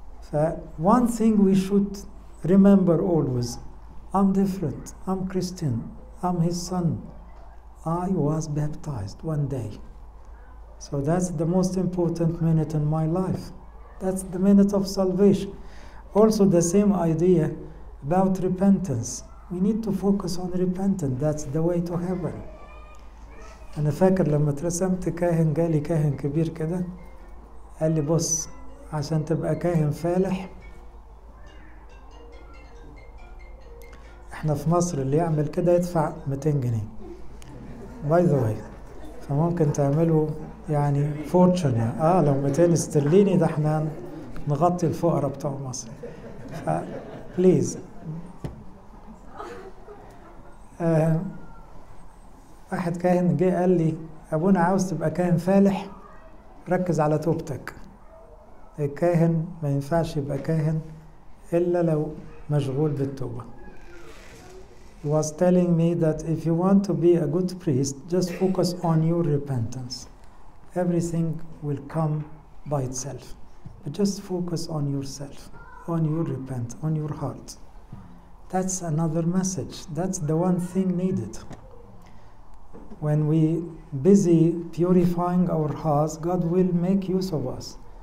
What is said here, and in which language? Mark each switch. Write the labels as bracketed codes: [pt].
[en] So one thing we should remember always, I'm different, I'm Christian, I'm His son, I was baptized one day. So that's the most important minute in my life. That's the minute of salvation. Also the same idea about repentance. We need to focus on repentance, that's the way to heaven. [ar] أنا فاكر لما اترسمت كاهن جالي كاهن كبير كده قال لي بص عشان تبقى كاهن فالح احنا في مصر اللي يعمل كده يدفع 200 جنيه [en] by the way [ar] فممكن تعمله يعني فورتشن يعني لو 200 استرليني ده احنا نغطي الفقراء بتوع مصر فبليز واحد كاهن جه قال لي أبونا عاوز تبقى كاهن فالح ركز على توبتك الكاهن ما ينفعش يبقى كاهن إلا لو مشغول بالتوبة. [en] He was telling me that if you want to be a good priest just focus on your repentance. Everything will come by itself. But just focus on yourself, on your repent, on your heart. That's another message. That's the one thing needed. When we busy purifying our hearts, God will make use of us.